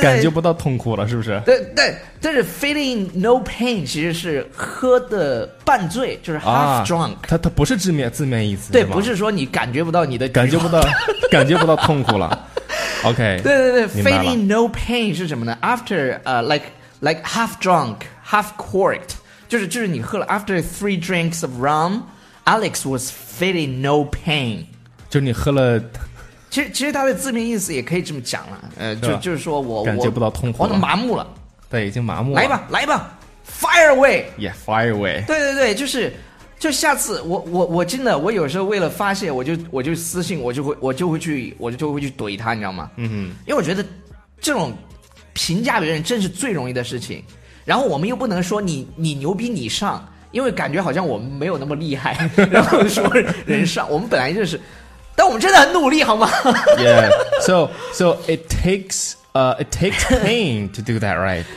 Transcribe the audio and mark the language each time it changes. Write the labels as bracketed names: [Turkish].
[Chinese] 感觉不到痛苦了是不是对对但是 [English] feeling no pain [Chinese] 其实是喝的半醉就是 [English] half drunk、 [Chinese] 啊、它不是字面意思对不是说你感觉不到你的感觉不到痛苦了 OK [English] 对 feeling no pain [Chinese] 是什么呢 [English] after、like half drunk half corked [Chinese] 就是你喝了 [English] after three drinks of rum Alex was feeling no pain [Chinese] 就是你喝了其实他的字面意思也可以这么讲了，就是说我感觉不到痛苦了，我都麻木了，对，已经麻木了。来吧，来吧 ， [English] fire away， yeah， fire away。 [Chinese] 对对对，就下次我真的，我有时候为了发泄，我就私信，我就会去怼他，你知道吗？嗯哼，因为我觉得这种评价别人真是最容易的事情，然后我们又不能说你牛逼你上，因为感觉好像我们没有那么厉害，然后说人上，我们本来就是。但我们真的很努力，好吗 [English] ？Yeah, so it takes pain to do that, right?